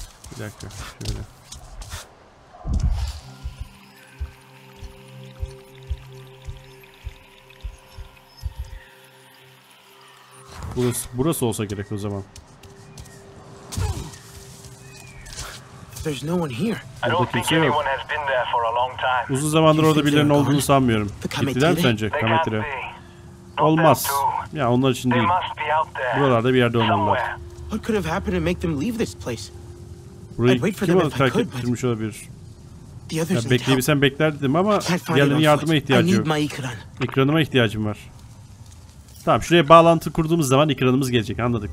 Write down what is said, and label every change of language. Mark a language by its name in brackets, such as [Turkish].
[Turkish] Bir dakika, şöyle. Burası olsa gerek o zaman. [English] There's no one here. I don't think anyone has been there for a long time. [Turkish] Uzun zamandır orada birilerinin olduğunu sanmıyorum. Gittiler mi sence Kametire? Olmaz. Ya onlar için değil. Buralarda bir yerde olmalılar. [English] What could have happened to make them leave this place? [Turkish] Kim onu terk ettirmiş olabilir? Ya bekleyebilsem bekler dedim ama diğerlerinin yardıma ihtiyacı yok. Ekranıma ihtiyacım var. Tamam, şuraya bağlantı kurduğumuz zaman ekranımız gelecek, anladık.